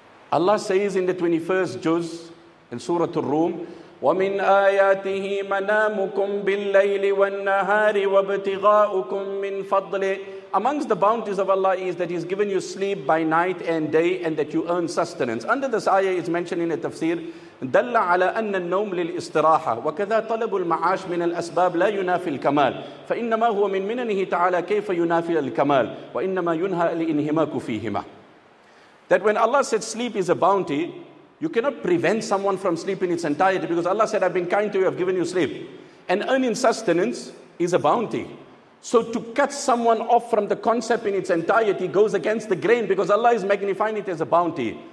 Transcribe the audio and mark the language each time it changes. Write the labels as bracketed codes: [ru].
[en] Allah says in the 21st juz in Surah Ar-Rum, [ar] وَمِنْ آيَاتِهِ مَنَامُكُمْ بِاللَّيْلِ وَالنَّهَارِ وَابْتِغَاءُكُمْ مِنْ فَضْلِهِ. [en] Amongst the bounties of Allah is that He's given you sleep by night and day and that you earn sustenance. Under this ayah is mentioned in a tafsir, [ar] دَلَّ عَلَىٰ أَنَّ النَّوْمُ لِلْإِسْتِرَاحَةِ وَكَذَا طَلَبُ الْمَعَاشِ مِنَ الْأَسْبَابِ لَا يُنَافِي الْكَمَالِ فَإِنَّمَا هُوَ مِنْ مِنَنِهِ تَعَالَىٰ كَيْفَ يُنَافِي الْكَمَالِ وَإِنَّمَا يُنْهَىٰ لِإِنْهِمَاكُ فِيهِمَا. [en] That when Allah said sleep is a bounty, you cannot prevent someone from sleeping its entirety, because Allah said, I've been kind to you, I've given you sleep. And earning sustenance is a bounty. So to cut someone off from the concept in its entirety goes against the grain, because Allah is magnifying it as a bounty.